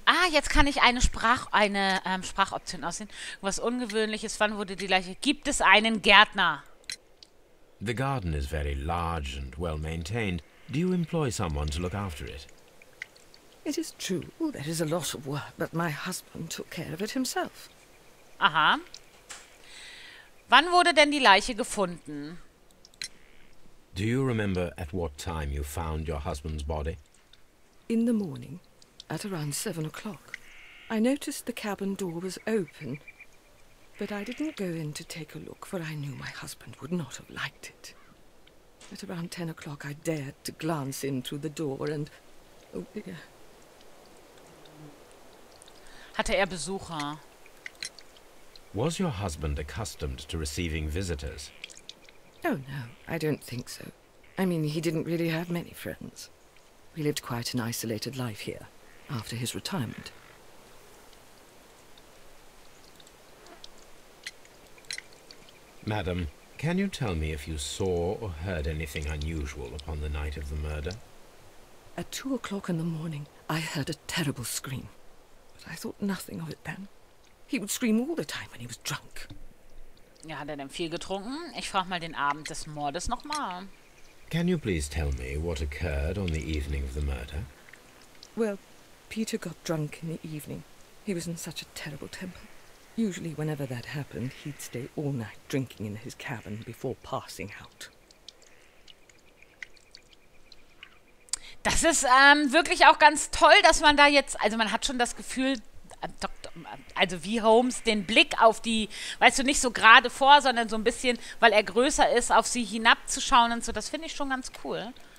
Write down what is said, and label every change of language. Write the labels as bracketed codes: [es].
[de] Ah, jetzt kann ich eine Sprachoption aussehen. Was Ungewöhnliches, wann wurde die Leiche... Gibt es einen Gärtner? [en] The garden is very large and well maintained. Do you employ someone to look after it? It is true. There is a lot of work, but my husband took care of it himself. Aha. [de] Wann wurde denn die Leiche gefunden? [en] Do you remember at what time you found your husband's body? In the morning, at around 7 o'clock. I noticed the cabin door was open. But I didn't go in to take a look, for I knew my husband would not have liked it. At around 10 o'clock, I dared to glance in through the door and... Oh, dear. [de] Hatte er Besucher? [en] Was your husband accustomed to receiving visitors? Oh, no, I don't think so. I mean, he didn't really have many friends. We lived quite an isolated life here, after his retirement. Madam, can you tell me if you saw or heard anything unusual upon the night of the murder? At 2 o'clock in the morning, I heard a terrible scream. But I thought nothing of it then. He would scream all the time when he was drunk. [de] Ja, hat er denn viel getrunken? Ich frage mal den Abend des Mordes nochmal. [en] Can you please tell me what occurred on the evening of the murder? Well, Peter got drunk in the evening. He was in such a terrible temper. Usually, whenever that happened, he'd stay all night drinking in his cabin before passing out. [de] Das ist wirklich auch ganz toll, dass man da jetzt, also man hat schon das Gefühl, also wie Holmes den Blick auf die, weißt du, nicht so gerade vor, sondern so ein bisschen, weil er größer ist, auf sie hinabzuschauen und so, das finde ich schon ganz cool.